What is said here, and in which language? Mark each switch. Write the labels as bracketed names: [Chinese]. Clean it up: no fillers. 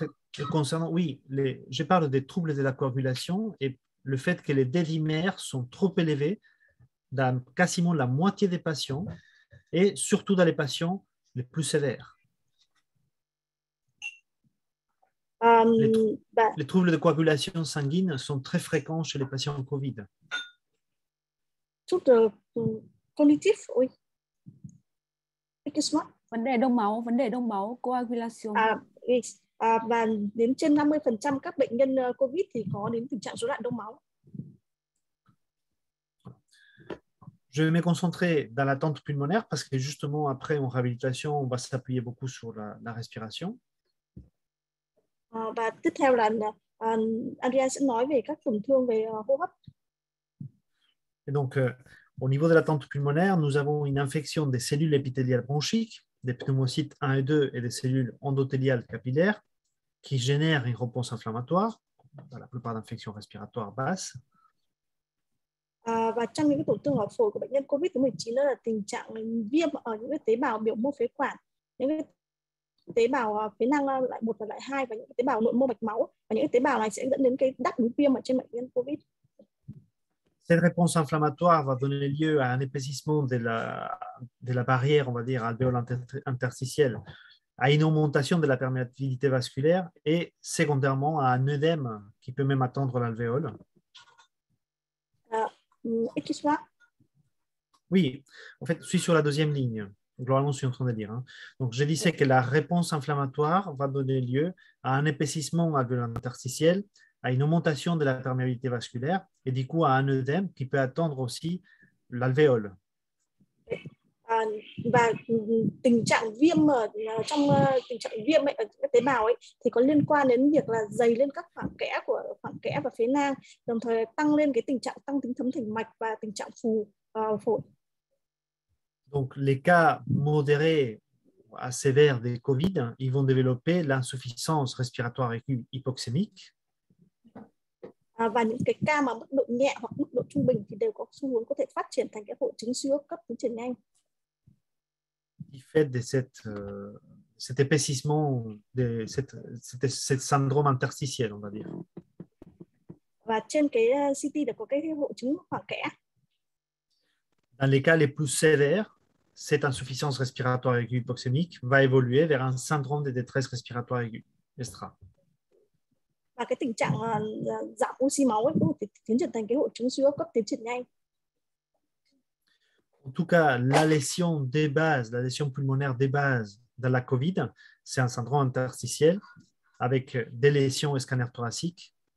[French] Je parle des troubles de la coagulation et le fait que les dédimères sont trop élevés dans quasiment la moitié des patients et surtout dans les patients les plus sévères. Les troubles de coagulation sanguine sont très fréquents chez les patients en COVID. Troubles cognitifs, oui. Excuse-moi. [Vietnamese] Vấn đề đông máu, coagulation. Và đến trên 50% các bệnh nhân COVID thì có đến tình trạng rối loạn đông máu. [French] Je vais me concentrer dans l'attente pulmonaire parce que justement après en réhabilitation, on va s'appuyer beaucoup sur la respiration. [Vietnamese] Và tiếp theo là Andrea sẽ nói về các tổn thương về hô hấp. [French] Et donc, au niveau de l'attente pulmonaire, nous avons une infection des cellules épithéliales bronchiques, des pneumocytes 1 et 2 et des cellules endothéliales capillaires qui génèrent une réponse inflammatoire dans la plupart d'infections respiratoires basses. [Vietnamese] Và trong những tổn thương ở phổi của bệnh nhân COVID-19 là tình trạng viêm ở những tế bào biểu mô phế quản, những tế bào phế nang loại 1 và loại 2 và những tế bào nội mô mạch máu và những tế bào này sẽ dẫn đến cái đáp ứng viêm ở trên bệnh nhân COVID. [French] Cette réponse inflammatoire va donner lieu à un épaississement de la barrière, on va dire, alvéole interstitielle, à une augmentation de la perméabilité vasculaire et secondairement à un œdème qui peut même atteindre l'alvéole. Oui, en fait, je suis sur la deuxième ligne. Globalement, je suis en train de dire. Donc, je disais que la réponse inflammatoire va donner lieu à un épaississement alvéole interstitiel, à une augmentation de la perméabilité vasculaire et du coup à un œdème qui peut atteindre aussi l'alvéole. [Vietnamese] Và tình trạng viêm ở trong tình trạng viêm ấy, ở các tế bào ấy thì có liên quan đến việc là dày lên các khoảng kẽ và phế nang, đồng thời tăng lên cái tình trạng tăng tính thấm thành mạch và tình trạng phù phổi. [French] Donc les cas modérés à sévères de COVID, ils vont développer l'insuffisance respiratoire aiguë hypoxémique. [Vietnamese] Và những cái ca mà mức độ nhẹ hoặc mức độ trung bình thì đều có xu hướng có thể phát triển thành cái hội chứng suy hô hấp cấp tiến triển nhanh. [French] Du fait de cet épaississement, de cette syndrome interstitiel, on va dire. [Vietnamese] Và trên cái CT là có cái hội chứng khoảng kẽ. [French] Dans les cas les plus sévères, cette insuffisance respiratoire aiguë hypoxémique va évoluer vers un syndrome de détresse respiratoire aiguë, ESRA. [Vietnamese] Và cái tình trạng giảm oxy máu ấy, tiến triển thành cái hội chứng suy hô hấp cấp tiến triển nhanh. [French] En tout cas, la lésion des bases, la lésion pulmonaire des bases dans la COVID, c'est un syndrome interstitiel avec des lésions scanners thoraciques.